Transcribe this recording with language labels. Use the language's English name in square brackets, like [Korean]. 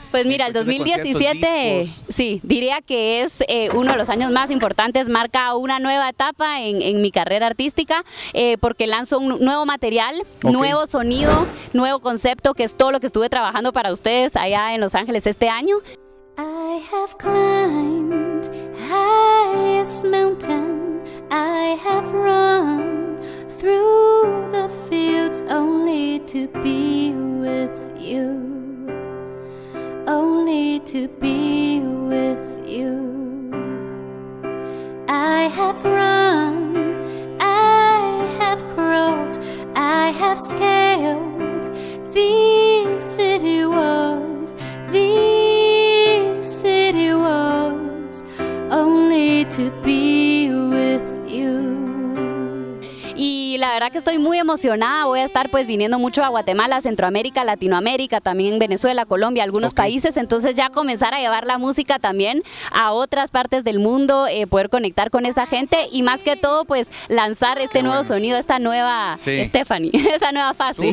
[Spanish] Pues mira, el 2017, sí, diría que es uno de los años más importantes, marca una nueva etapa en mi carrera artística, porque lanzo un nuevo material, okay, nuevo sonido, nuevo concepto, que es todo lo que estuve trabajando para ustedes allá en Los Ángeles este año. [English] I have climbed highest mountain, I have run through the fields only to be with you, only to be with you. I have run, I have crawled, I have scaled these city walls, these city walls, only to be with you. [Spanish] Y verdad que estoy muy emocionada. Voy a estar pues viniendo mucho a Guatemala, Centroamérica, Latinoamérica, también Venezuela, Colombia, algunos países. Entonces ya comenzar a llevar la música también a otras partes del mundo, poder conectar con esa gente y más que todo pues lanzar este sonido, esta nueva Stephanie, esta nueva fase.